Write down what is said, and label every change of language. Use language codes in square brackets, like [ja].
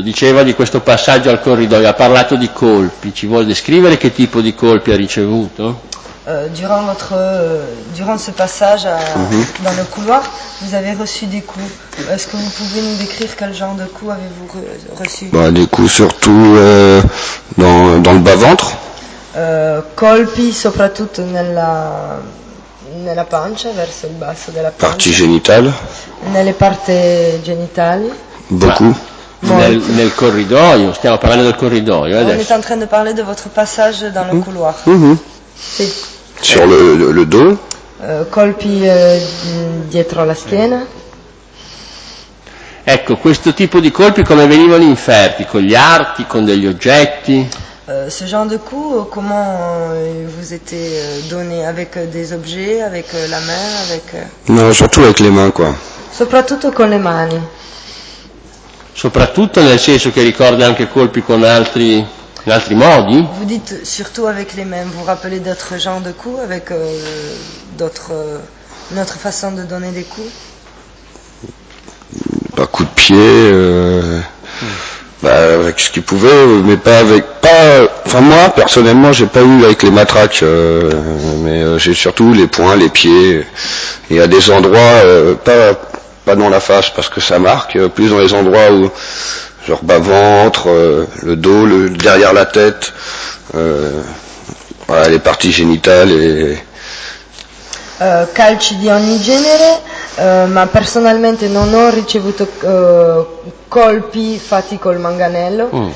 [it] Diceva di questo passaggio al corridoio, ha parlato di colpi, ci vuole descrivere che tipo di colpi ha ricevuto? [fr] Durant ce passage dans le couloir, vous avez reçu des coups. Est-ce que vous pouvez nous décrire quel genre de coups avez-vous reçu? Des coups surtout dans le bas-ventre. [it] Colpi soprattutto nella pancia, verso il basso della pancia. Parti genitali. Nelle parti genitali. [fr] Beaucoup. [it] Nel corridoio, stiamo parlando del corridoio adesso. [fr] On est en train de parler de votre passage dans le couloir. [it] Sì. [fr] Sur le dos. [it] Colpi dietro la schiena. Ecco, questo tipo di colpi come venivano inferti? Con gli arti, con degli oggetti? [fr] Ce genre de coup, comment vous était donné? Avec des objets, avec la main, avec... Non, surtout avec les mains, quoi. [it] Soprattutto con le mani. Soprattutto nel senso che ricorda anche colpi con altri... In altri modi? [fr] Vous dites surtout avec les mêmes, vous rappelez d'autres genres de coups, avec d'autres, une autre façon de donner des coups? Pas coup de pied, avec ce qu'ils pouvaient, mais pas avec, enfin moi personnellement j'ai pas eu avec les matraques, mais j'ai surtout les poings, les pieds, et à des endroits, pas dans la face parce que ça marque, plus dans les endroits où... Genre bas-ventre, le dos, le derrière la tête, voilà, les parties génitales et... [it] Calci di ogni genere, ma personalmente non ho ricevuto colpi fatti col manganello.